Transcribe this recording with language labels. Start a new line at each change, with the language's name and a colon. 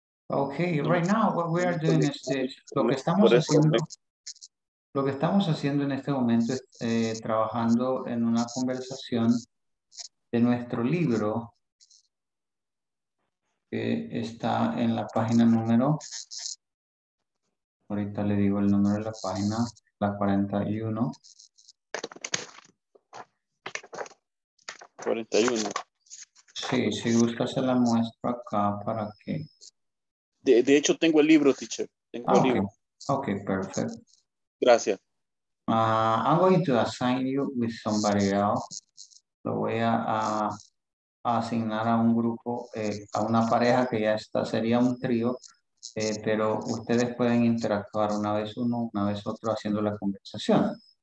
English: Okay, right now what we are doing is this.
Spanish: Lo que estamos haciendo, Lo que estamos haciendo en este momento es trabajando en una conversación de nuestro libro que está en la página número, ahorita le digo el número de la página, la 41. 41. Sí, si gusta se la muestro acá para que. De hecho tengo el libro, teacher. Tengo el libro. Ok, perfecto. Gracias.
English: I'm going to assign you with somebody else.
Spanish: Lo voy a asignar a un grupo, a una pareja que ya está, sería un trío, pero ustedes pueden interactuar una vez uno, una vez otro, haciendo la conversación.